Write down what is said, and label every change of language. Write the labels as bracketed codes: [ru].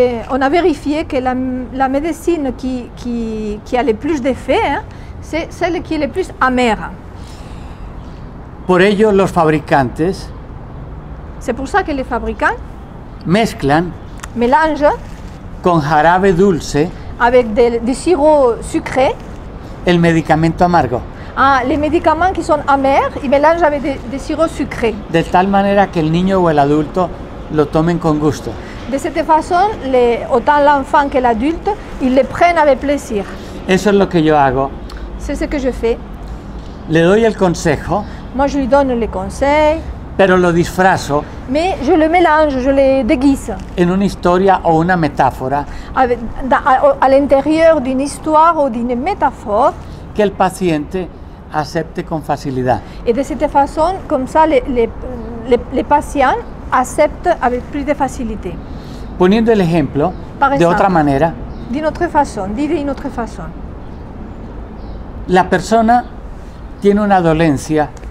[fr] On a vérifié que la medicina qui a le plus d'effet, c'est celle qui est le plus amère. [es] Por ello los fabricantes, [fr] c'est pour ça que les fabricants [es] mezclan, [fr] mélangent [es] con jarabe dulce [fr] avec des sirops sucrés, [es] el medicamento amargo. [fr] Ah, les médicaments qui sont amers, ils mélangent avec des sirops sucrés. [es] De tal manera que el niño o el adulto lo tomen con gusto. [fr] De cette façon, autant l'enfant que l'adulte, ils le prennent avec plaisir. [es] Eso es lo que yo hago. [fr] C'est ce que je fais. [es] Le doy el consejo. [fr] Moi, je lui donne le conseil. [es] Pero lo disfrazo. [fr] Mais je le mélange, je le déguise. [es] En una historia o una metáfora. [fr] A l'intérieur d'une histoire ou d'une métaphore. [es] Que el paciente acepte con facilidad. [fr] Et de cette façon, comme ça, les patients acceptent avec plus de facilité. [es] Poniendo el ejemplo, [fr] exemple, [es] de otra manera. [fr] D'une autre façon, dit d'une autre façon. [es] La persona tiene una dolencia.